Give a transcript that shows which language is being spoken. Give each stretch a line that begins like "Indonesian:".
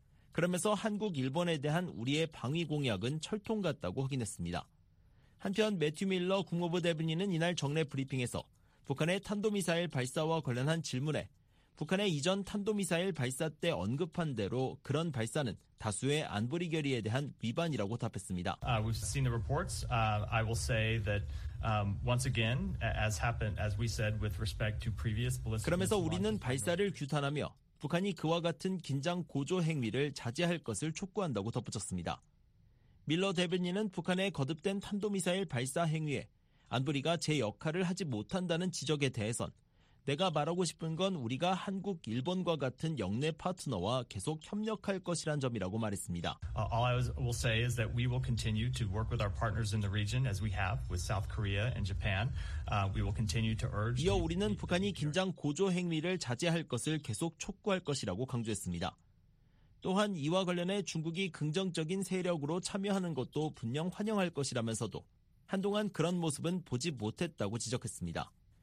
Korean: 그러면서 한국, 일본에 대한 우리의 방위 공약은 철통 같다고 확인했습니다. 한편 매튜 밀러 국무부 대변인은 이날 정례 브리핑에서 북한의 탄도미사일 발사와 관련한 질문에 북한의 이전 탄도미사일 발사 때 언급한 대로 그런 발사는 다수의 안보리 결의에 대한 위반이라고 답했습니다.
English: We've seen the reports. I will say that once again, as happened, as we said with respect to previous ballistic.
Korean: 그러면서 우리는 발사를 규탄하며 북한이 그와 같은 긴장 고조 행위를 자제할 것을 촉구한다고 덧붙였습니다. 밀러 대변인은 북한의 거듭된 탄도미사일 발사 행위에 안보리가 제 역할을 하지 못한다는 지적에 대해선 내가 말하고 싶은 건 우리가 한국, 일본과 같은 역내 파트너와 계속 협력할 것이란 점이라고 말했습니다.
English: All I will say is that we will continue to work with our partners in the region as we have with South Korea and Japan. We will continue to urge.
Korean: 이어 우리는 북한이 긴장 고조 행위를 자제할 것을 계속 촉구할 것이라고 강조했습니다. 또한 이와 관련해 중국이 긍정적인 세력으로 참여하는 것도 분명 환영할 것이라면서도 한동안 그런 모습은 보지 못했다고 지적했습니다.